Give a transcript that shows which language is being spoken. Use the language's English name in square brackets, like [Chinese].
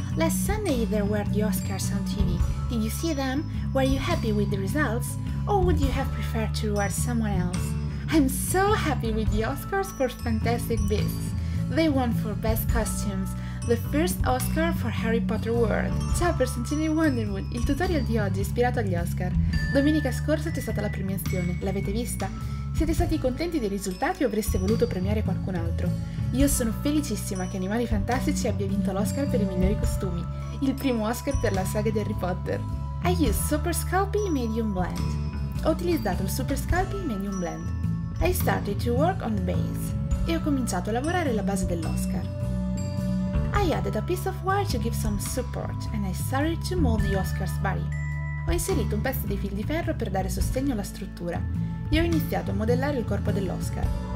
[English] Last Sunday there were the Oscars on TV. Did you see them? Were you happy with the results? Or would you have preferred to reward someone else? I'm so happy with the Oscars for Fantastic Beasts. They won for Best Costumes, the first Oscar for Harry Potter World. [Italian] Ciao personcini Wonderwood, il tutorial di oggi è ispirato agli Oscar. Domenica scorsa c'è stata la premiazione, l'avete vista? Siete stati contenti dei risultati o avreste voluto premiare qualcun altro? Io sono felicissima che Animali Fantastici abbia vinto l'Oscar per i migliori costumi, il primo Oscar per la saga di Harry Potter. [English] I use SuperSculpey Medium Blend. [Italian] Ho utilizzato il SuperSculpey Medium Blend. [English] I started to work on the base. [Italian] E ho cominciato a lavorare la base dell'Oscar. [English] I added a piece of wire to give some support and I started to mold the Oscar's body. [Italian] Ho inserito un pezzo di fil di ferro per dare sostegno alla struttura. E ho iniziato a modellare il corpo dell'Oscar.